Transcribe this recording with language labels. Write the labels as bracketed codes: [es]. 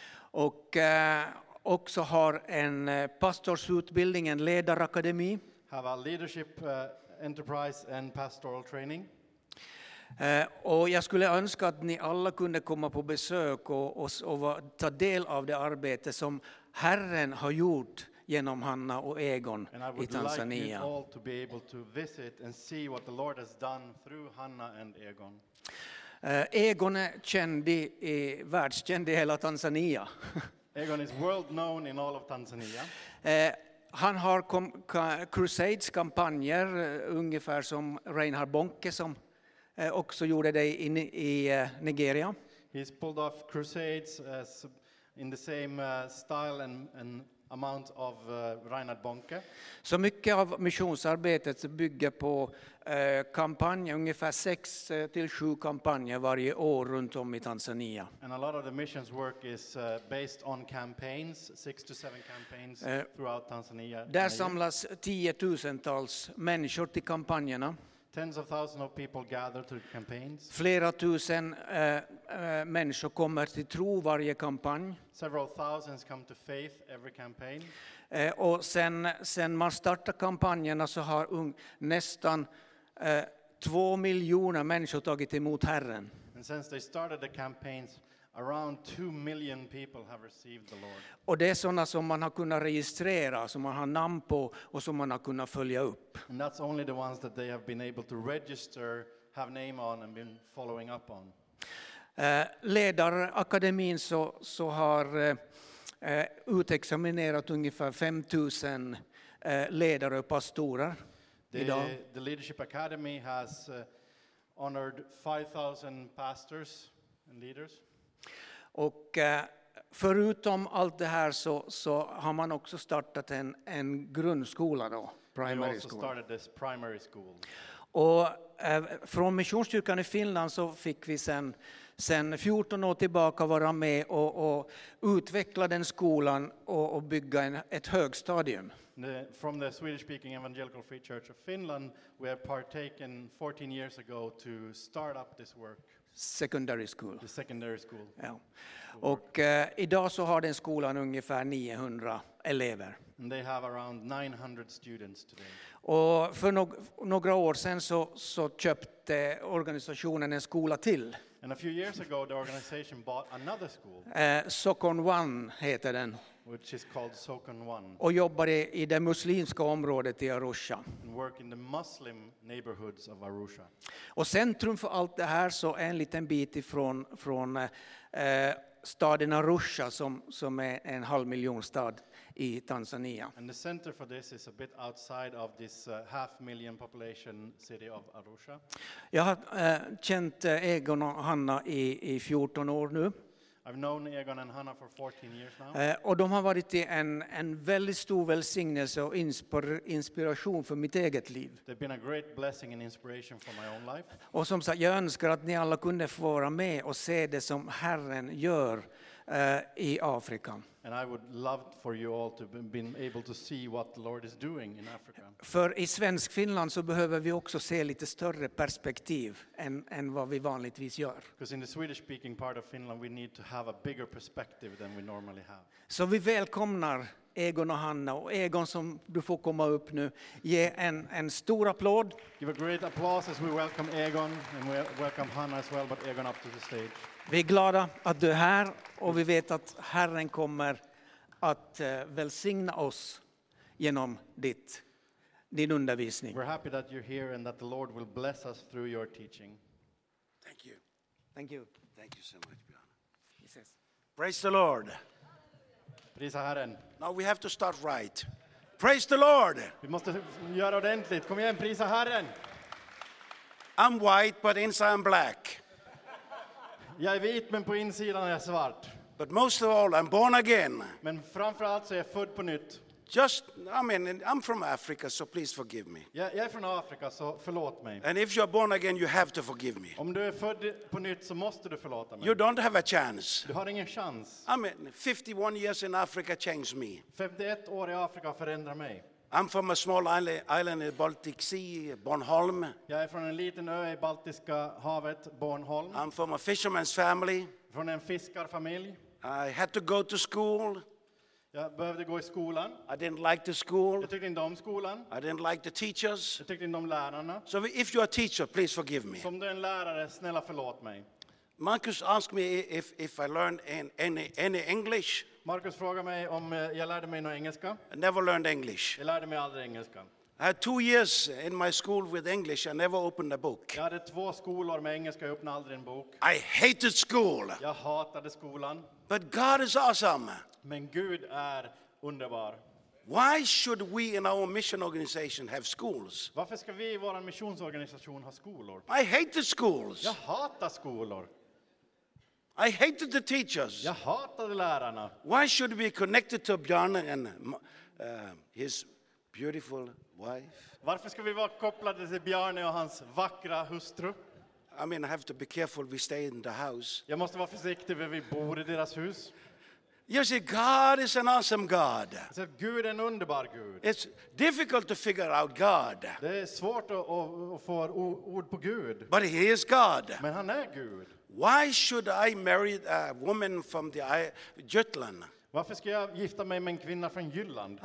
[sv] Och också har en pastorsutbildning, en ledarakademi. [en] Have a leadership enterprise and pastoral training. [sv] Och jag skulle önska att ni alla kunde komma på besök och ta del av det arbete som Herren har gjort genom Hanna och Egon i Tanzania. [en] And I would like you all to be able to visit and see what the Lord has done through Hanna and Egon. [sv] Egon är världskänd i hela Tanzania. [en] Egon is world known in all of Tanzania. [sv] Han har crusades-kampanjer ungefär som Reinhard Bonnke som också gjorde det i Nigeria. [en] He's pulled off crusades in the same style and amount of Reinhard Bonnke. [sv] Så mycket av missionsarbetet bygger på kampanjer, ungefär 6-7 kampanjer varje år runt om i Tanzania. [en] And a lot of the missions work is based on campaigns, 6-7 campaigns throughout Tanzania. [sv] Där samlas tiotusentals människor till kampanjerna. [en] Tens of thousands of people gather to campaigns. [sv] Flera tusen människor kommer till tro varje kampanj. [en] Several thousands come to faith every campaign. [sv] Och sen man startar kampanjerna så har nästan 2 miljoner människor tagit emot Herren. [en] And since they started the campaigns, around 2 million people have received the Lord. [sv] Och det är sådana som man har kunnat registrera, som man har namn på och som man har kunnat följa upp. [en] And that's only the ones that they have been able to register, have name on and been following up on. [sv] Ledarakademin så har utexaminerat ungefär 5000 ledare och pastorer. [en] The Leadership Academy has honored 5000 pastors and leaders. [sv] Och förutom allt det här så har man också startat en grundskola då, [en] primary school. We also started this primary school. [sv] Och från Missionskyrkan i Finland så fick vi sen 14 år tillbaka vara med och utveckla den skolan och bygga ett högstadium. [en] From the Swedish-speaking Evangelical Free Church of Finland, we have partaken 14 years ago to start up this work. Secondary school. The secondary school. [sv] Ja. Och idag så har den skolan ungefär 900 elever. [en] And they have around 900 students today. [sv] Och för några år sedan så köpte organisationen en skola till. [en] And a few years ago the organization bought another school. [sv] Socon One heter den. [en] Which is called Socon One. [sv] Och jobbar i det muslimska området i Arusha. [en] And work in the Muslim neighborhoods of Arusha. [sv] Och centrum för allt det här så är en liten bit ifrån staden Arusha som är en 500,000 stad i Tanzania. [en] And the center for this is a bit outside of this 500,000 population city of Arusha. [sv] Jag har känt Egon och Hanna i 14 år nu. [en] I've known Egon and Hanna for 14 years now. [sv] Och de har varit en väldigt stor välsignelse och inspiration för mitt eget liv. [en] They've been a great blessing and inspiration for my own life. [sv] Och som sagt, jag önskar att ni alla kunde få vara med och se det som Herren gör i Afrika. [en] And I would love for you all to been able to see what the Lord is doing in Africa. [sv] För i svensk Finland så behöver vi också se lite större perspektiv än vad vi vanligtvis gör. [en] Because in the Swedish speaking part of Finland we need to have a bigger perspective than we normally have. [sv] Så vi välkomnar Egon och Hanna, och Egon som du får komma upp nu, ge en stor applåd. [en] Give a great applause as we welcome Egon and we welcome Hanna as well, but Egon up to the stage. [sv] Vi är glada att du är här och vi vet att Herren kommer att välsigna oss genom din undervisning. [en] We're happy that you're here and that the Lord will bless us through your teaching. Thank you. Thank you. Thank you so much, Björn. Praise the Lord. [sv] Prisa Herren. [en] Now we have to start right. Praise the Lord. [sv] Vi måste göra ordentligt. Kom igen, prisa Herren. [en] I'm white but inside I'm black. [sv] Jag är vit men på insidan är jag svart. [en] But most of all I'm born again. [sv] Men framförallt så är jag född på nytt. [en] Just, I mean, I'm from Africa, so please forgive me. [sv] Yeah, jag är från Afrika, så förlåt mig. [en] And if you're born again, you have to forgive me. [sv] Om du är född på nytt, så måste du förlåta mig. [en] You don't have a chance. [sv] Du har ingen chans. [en] I mean, 51 years in Africa changed me. [sv] 51 år i Afrika förändrar mig. [en] I'm from a small island in the Baltic Sea, Bornholm. [sv] Jag är från en liten ö i Baltiska havet, Bornholm. [en] I'm from a fisherman's family. [sv] Från en fiskarfamilj. [en] I had to go to school. [sv] Jag behövde gå i skolan. [en] I didn't like the school. [sv] Jag tyckte inte om skolan. [en] I didn't like the teachers. [sv] Jag tyckte inte om lärarna. [en] So if you're a teacher, please forgive me. [sv] Som du är en lärare, snälla förlåt mig. [en] Marcus asked me if I learned any English. [sv] Marcus frågade mig om jag lärde mig någon engelska. [en] I never learned English. [sv] Jag lärde mig aldrig engelska. [en] I had 2 years in my school with English. I never opened a book. [sv] Jag hade 2 skolor med engelska. Jag öppnade aldrig en bok. [en] I hated school. [sv] Jag hatade skolan. [en] But God is awesome. [sv] Men Gud är underbar. [en] Why should we in our mission organization have schools? [sv] Varför ska vi i vår missionsorganisation ha skolor? [en] I hate the schools. [sv] Jag hatar skolor. [en] I hated the teachers. [sv] Jag hatade lärarna. [en] Why should we connect to Björn and his beautiful wife? [sv] Varför ska vi vara kopplade till Björn och hans vackra hustru? [en] I mean, I have to be careful we stay in the house. [sv] Jag måste vara försiktig med vi bor i deras hus. [en] You see, God is an awesome God. [sv] Så Gud är en underbar Gud. [en] It's difficult to figure out God. [sv] Det är svårt att få ord på Gud. [en] But he is God. [sv] Men han är Gud. [en] Why should I marry a woman from the Jutland? [sv] Varför ska jag gifta mig med en kvinna från Jylland?